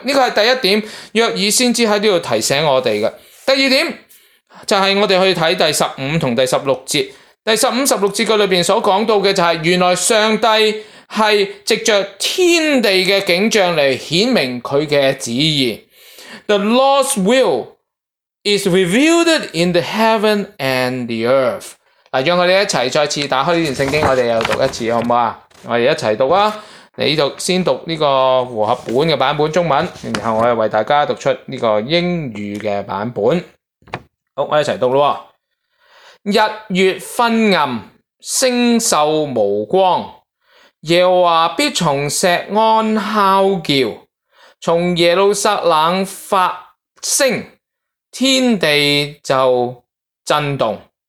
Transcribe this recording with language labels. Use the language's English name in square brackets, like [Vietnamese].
[Chinese] 这个是第一点，约珥先知在这里提醒我们的。第二点就是我们去看第十五和第十六节。第十五、十六节里面所讲到的就是原来上帝是藉着天地的景象来显明祂的旨意。 [English] The Lord's will is revealed in the heaven and the earth。 [Chinese] 让我们一起再次打开这段圣经，我们又读一次好不好？我们一起读啊，你读先读这个和合本的版本中文，然后我又为大家读出这个英语的版本。好，我一起读咯。日月昏暗，星宿无光，耶和华必从锡安敲叫，从耶路撒冷发声，天地就震动。